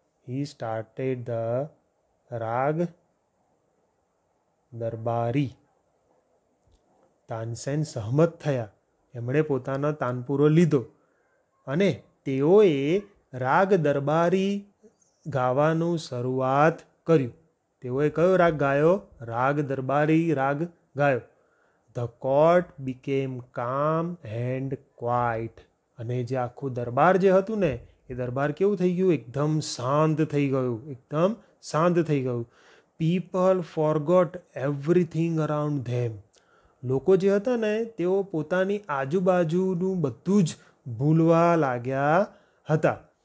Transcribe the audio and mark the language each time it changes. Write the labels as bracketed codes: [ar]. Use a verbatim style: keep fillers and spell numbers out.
[en] He started the rag darbari. [gu] Tansen સહમત થયા. એમણે પોતાનો તાનપુરો લીધો અને તેઓએ રાગ દરબારી ગાવાનું શરૂઆત કર્યું. તેઓએ કયો રાગ ગાયો? રાગ દરબારી રાગ ગાયો. [en] The court became calm and quiet. [gu] અને જે આખું દરબાર જે હતું ને, એ દરબાર કેવું થઈ ગયું? એકદમ શાંત થઈ ગયું. એકદમ શાંત થઈ ગયું. [en] People forgot everything around them. [gu] લોકો જે હતા ને, તેઓ પોતાની આજુબાજુનું બધું જ ભૂલવા લાગ્યા હતા.